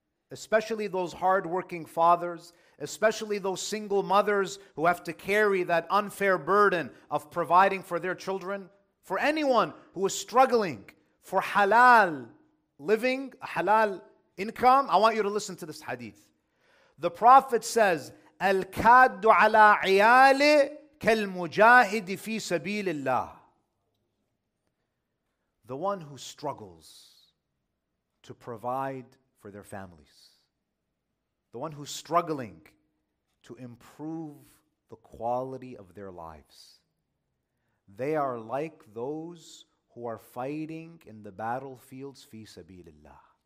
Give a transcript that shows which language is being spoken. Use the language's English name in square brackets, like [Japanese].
[English] Especially those hard-working fathers, especially those single mothers who have to carry that unfair burden of providing for their children. For anyone who is struggling for halal living, a halal income, I want you to listen to this hadith. The Prophet says, [Arabic] الكاد على عياله كالمجاهد في سبيل الله. [English] The one who struggles to provide for their families. The one who's struggling to improve the quality of their lives. They are like those who are fighting in the battlefields [Arabic] في سبيل الله.